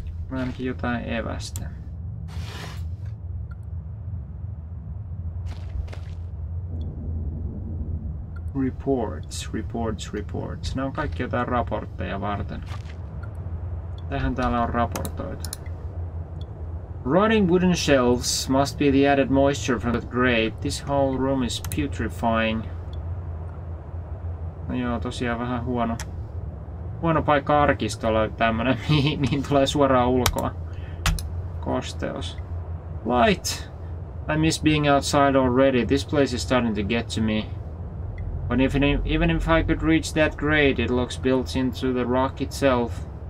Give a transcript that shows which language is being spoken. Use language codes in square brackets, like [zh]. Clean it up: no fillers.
[fi] Mä ainakin jotain evästä. Reports. Nämä on kaikki jotain raportteja varten. Tähän täällä on raportoita. [en] Rotting wooden shelves must be the added moisture from the grate. This whole room is putrefying. [fi] No joo, tosiaan vähän huono. Huono paikka arkistolla tämmönen, mihin tulee suoraan ulkoa. Kosteus. Light! [en] I miss being outside already. This place is starting to get to me. But even if I could reach that grate, it looks built into the rock itself.